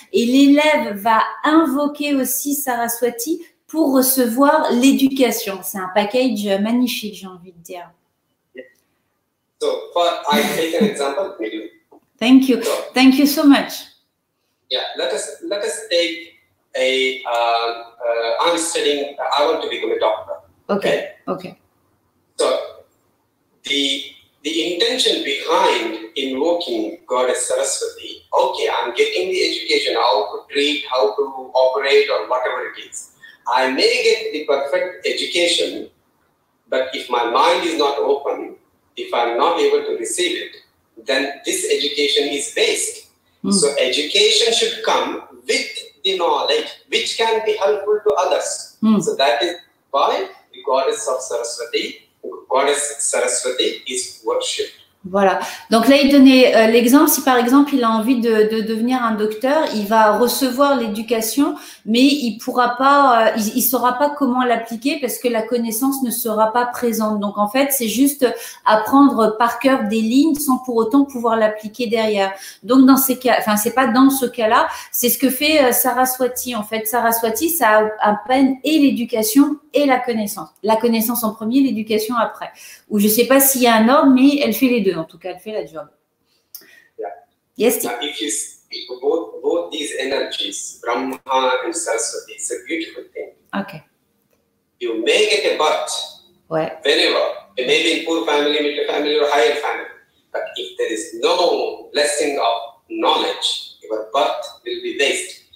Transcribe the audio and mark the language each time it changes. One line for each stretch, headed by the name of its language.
French: Et l'élève va invoquer aussi Saraswati pour recevoir l'éducation. C'est un package magnifique, j'ai envie de dire.
English: So, for, I take an example for you. Thank you. So, thank you so much. Yeah, let us take... I want to become a doctor. Okay. So the intention behind invoking Goddess Saraswati, okay, I'm getting the education, how to treat, how to operate or whatever it is. I may get the perfect education, but if my mind is not open, if I'm not able to receive it, then this education is waste. Mm. So education should come with the knowledge which can be helpful to others. Mm. So that is why the goddess of Saraswati, goddess Saraswati is worshipped.
French: Voilà. Donc là, il donnait l'exemple. Si par exemple, il a envie de devenir un docteur, il va recevoir l'éducation, mais il pourra pas, il saura pas comment l'appliquer parce que la connaissance ne sera pas présente. Donc en fait, c'est juste apprendre par cœur des lignes sans pour autant pouvoir l'appliquer derrière. Donc dans ces cas, enfin c'est pas dans ce cas-là, c'est ce que fait Saraswati. En fait, Saraswati, ça a à peine et l'éducation et la connaissance. La connaissance en premier, l'éducation après. Ou je sais pas s'il y a un ordre, mais elle fait les deux, en tout cas, elle fait la job.
English: Yeah. Yes. If you speak both these energies, Brahma and Saraswati, it's a beautiful thing. Okay. You may get a birth.
French: Ouais.
English: Whenever, maybe in poor family, middle family, or higher family, but if there is no blessing of knowledge, your birth will be waste.